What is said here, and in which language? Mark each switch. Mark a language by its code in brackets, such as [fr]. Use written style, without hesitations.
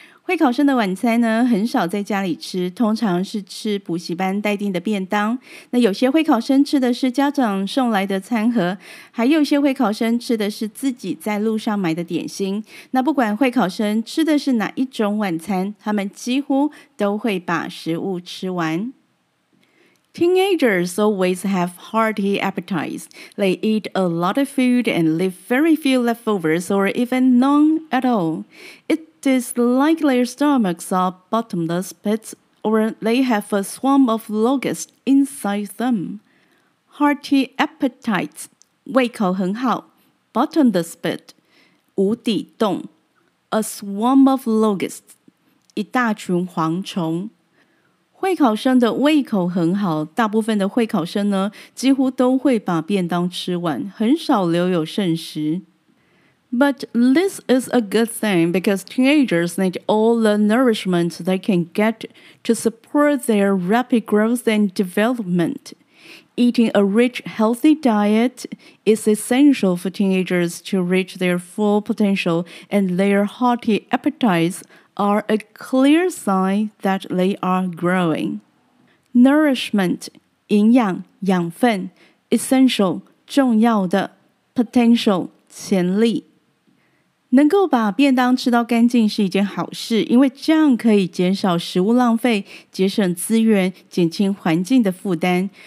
[zh] 会考生的晚餐呢，很少在家里吃，通常是吃补习班待定的便当。那有些会考生吃的是家长送来的餐盒，还有些会考生吃的是自己在路上买的点心。那不管会考生吃的是哪一种晚餐，他们几乎都会把食物吃完。 [en] Teenagers always have hearty appetites. They eat a lot of food and leave very few leftovers or even none at all. It is like their stomachs are bottomless pits or they have a swamp of locusts inside them. Hearty appetites, 胃口很好 bottomless pit, 无底洞 a swamp of locusts, [zh] 一大群蝗虫。会考生的胃口很好，大部分的会考生呢，几乎都会把便当吃完，很少留有剩食。 [en] But this is a good thing because teenagers need all the nourishment they can get to support their rapid growth and development. Eating a rich, healthy diet is essential for teenagers to reach their full potential, and their hearty appetites are a clear sign that they are growing. [zh] Nourishment, 营养、养分 essential, 重要的 potential, 潜力能够把便当吃到干净是一件好事，因为这样可以减少食物浪费，节省资源，减轻环境的负担。